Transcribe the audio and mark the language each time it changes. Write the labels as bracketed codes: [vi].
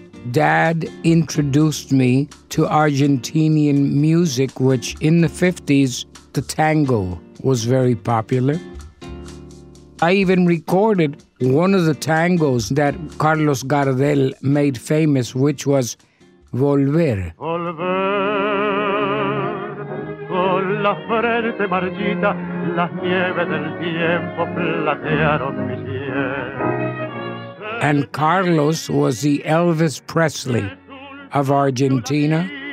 [en] Dad introduced me to Argentinian music, which in the 50s, the tango was very popular. I even recorded one of the tangos that Carlos Gardel made famous, which was Volver. [es] Volver, con la frente marchita, las nieves del tiempo platearon mi piel. [en] And Carlos was the Elvis Presley of Argentina.